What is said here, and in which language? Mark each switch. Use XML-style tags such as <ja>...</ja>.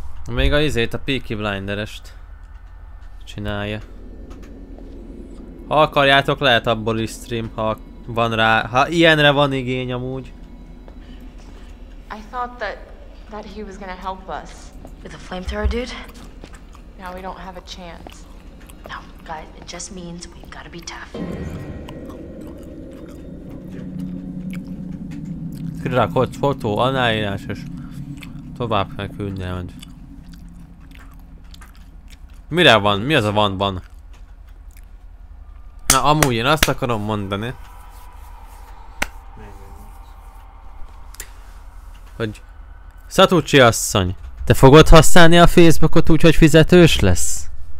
<hu>Még a izét, a Peaky Blinderest csinálja. Ha akarjátok, lehet abból is stream, ha van rá, ha ilyenre van igény amúgy.</hu> <en>I thought that he was gonna help us. With a flamethrower, dude? Now we don't have a chance. No, guys, it just means we gotta be tough.</en> <hu>Kirakott fotó, aláírás és tovább kell küldnem. Mire van? Mi az a van-ban? Na, amúgy én azt akarom mondani, hogy Szatucsi asszony, te fogod használni a Facebookot úgy, hogy fizetős lesz?</hu>